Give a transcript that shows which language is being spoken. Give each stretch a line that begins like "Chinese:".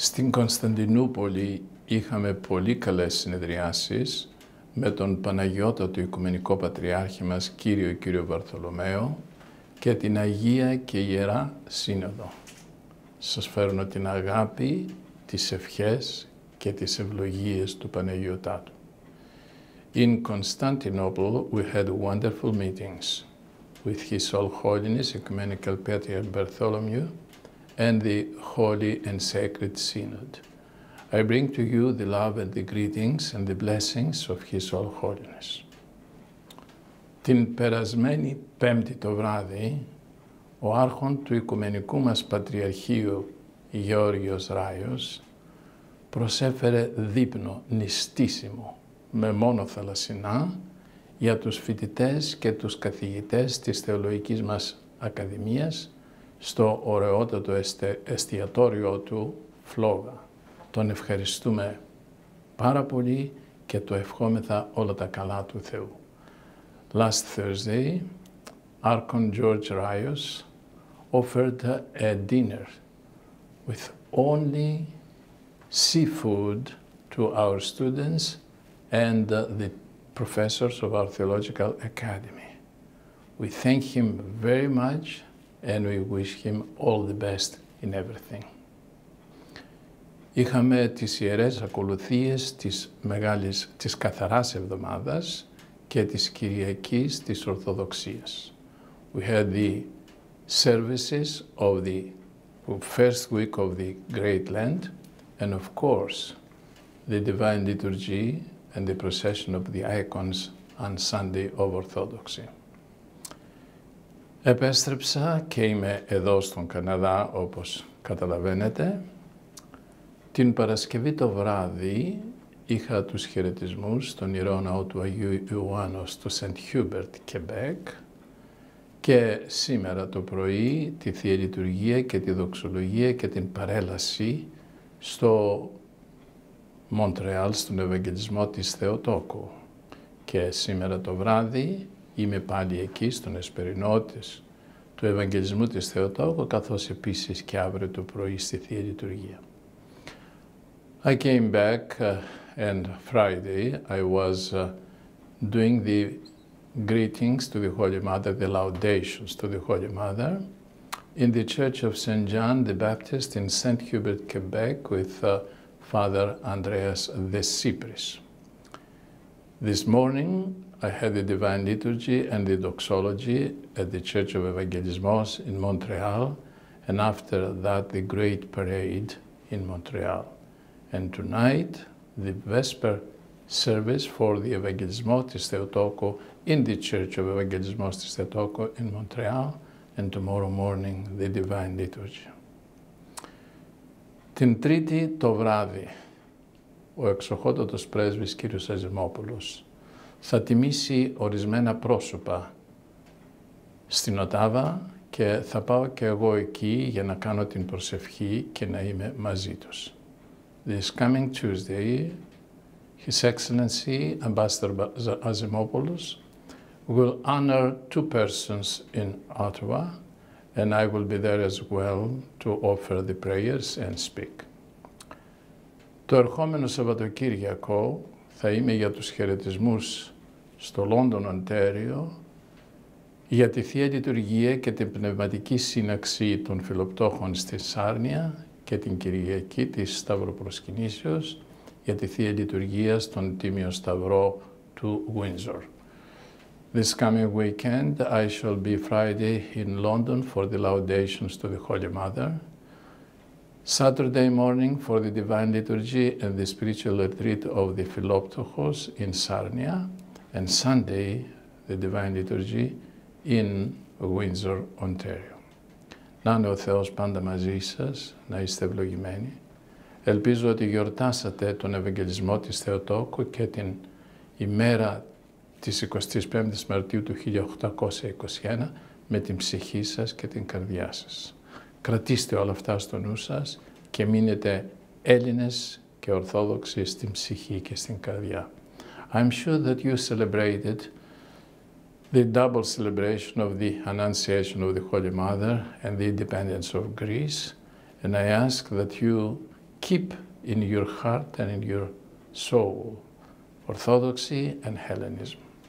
Greek: Κωνσταντινούπολη είχαμε πολύ καλές συνεδριάσεις με τον Παναγιώτατο Οικουμενικό Πατριάρχη μας κύριο κύριο Βαρθολομαίο και την Αγία και Ιερά Σύνοδο. Σας φέρνω την αγάπη, τις ευχές και τις ευλογίες του Παναγιωτάτου.
English: In Constantinople we had wonderful meetings with His All Holiness Ecumenical Patriarch Bartholomew and the Holy and Sacred Synod. I bring to you the love and the greetings and the blessings of His All Holiness.
Greek: Την περασμένη Πέμπτη το βράδυ, ο Άρχον του Οικουμενικού μας Πατριαρχείου, Γεώργιος Ράιος, προσέφερε δείπνο νηστίσιμο με μόνο θαλασσινά για τους φοιτητές και τους καθηγητές της Θεολογικής μας Ακαδημίας στο ωραιότατο εστιατόριο του Φλόγα. Τον ευχαριστούμε πάρα πολύ και το ευχόμεθα όλα τα καλά του Θεού.
English: Last Thursday, Archon George Ryos offered a dinner with only seafood to our students and the professors of our Theological Academy. We thank him very much and we wish him all the best in everything.
Greek: Είχαμε τις ιερές ακολουθίες της καθαράς εβδομάδας και της Κυριακής της Ορθοδοξίας.
English: We had the services of the first week of the Great Lent and of course the Divine Liturgy and the procession of the icons on Sunday of Orthodoxy.
Greek: Επέστρεψα και είμαι εδώ στον Καναδά όπως καταλαβαίνετε. Την Παρασκευή το βράδυ είχα τους χαιρετισμούς στον Ιερό Ναό του Αγίου Ιωάννου στο Σεντ Χιούμπερτ, Κεμπέκ και σήμερα το πρωί τη Θεία Λειτουργία και τη Δοξολογία και την παρέλαση στο Μοντρεάλ στον Ευαγγελισμό της Θεοτόκου. Και σήμερα το βράδυ είμαι πάλι εκεί στον Εσπερινό του Ευαγγελισμού της Θεοτόκου καθώς επίσης και αύριο το πρωί στη Θεία Λειτουργία.
English: I came back and Friday I was doing the greetings to the Holy Mother, the laudations to the Holy Mother in the Church of St. John the Baptist in St. Hubert, Quebec with Father Andreas de Cypris. This morning I had the Divine Liturgy and the Doxology at the Church of Evangelismos in Montreal and after that the Great Parade in Montreal. And tonight, the Vesper service for the Evangelismos
Greek: της Θεοτόκου
English: in the Church of Evangelismos της Θεοτόκου in Montreal, and tomorrow morning, the Divine Liturgy.
Greek: Την Τρίτη το βράδυ, ο εξοχότατος πρέσβης κύριος Αζημόπουλος θα τιμήσει ορισμένα πρόσωπα στην Οτάβα και θα πάω και εγώ εκεί για να κάνω την προσευχή και να είμαι μαζί τους.
English: This coming Tuesday, His Excellency Ambassador Αζημόπουλος will honor two persons in Ottawa, and I will be there as well to offer the prayers and speak.
Greek: Το ερχόμενο Σαββατοκύριακο θα είμαι για τους χαιρετισμούς στο Λόντον, Οντάριο, για τη Θεία Λειτουργία και την Πνευματική Σύναξη των Φιλοπτώχων στη Σάρνια και την Κυριακή της Σταυροπροσκυνήσεως για τη Θεία Λειτουργία στον Τίμιο Σταυρό του Windsor.
English: This coming weekend, I shall be Friday in London for the laudations to the Holy Mother, Saturday morning for the Divine Liturgy and the Spiritual Retreat of the Philoptochos in Sarnia, and Sunday, the Divine Liturgy in Windsor, Ontario.
Greek: Να είναι ο Θεός πάντα μαζί σας, να είστε ευλογημένοι. Ελπίζω ότι γιορτάσατε τον Ευαγγελισμό της Θεοτόκου και την ημέρα της 25ης Μαρτίου του 1821 με την ψυχή σας και την καρδιά σας. Κρατήστε όλα αυτά στο νου σας και μείνετε Έλληνες και Ορθόδοξοι στην ψυχή και στην καρδιά.
English: I'm sure that you celebrated the double celebration of the Annunciation of the Holy Mother and the Independence of Greece, and I ask that you keep in your heart and in your soul Orthodoxy and Hellenism.